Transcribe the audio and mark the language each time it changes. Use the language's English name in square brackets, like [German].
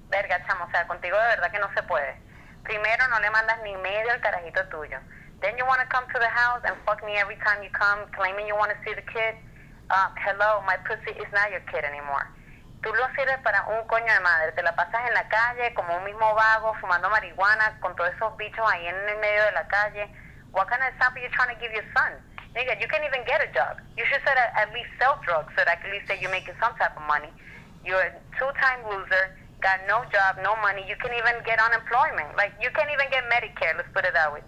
[Spanish] Verga, chamo, o sea, contigo de verdad que no se puede. Primero, no le mandas ni medio al carajito tuyo. [English] Then you want to come to the house and fuck me every time you come, claiming you want to see the kid. Hello, my pussy is not your kid anymore. [Spanish] Tú lo sirves para un coño de madre. Te la pasas en la calle como un mismo vago, fumando marihuana, con todos esos bichos ahí en el medio de la calle. [English] What kind of example are you trying to give your son? Nigga, you can't even get a job. You should set at least sell drugs so that at least that you're making some type of money. You're a two-time loser, got no job, no money. You can't even get unemployment. Like, you can't even get Medicare, let's put it that way.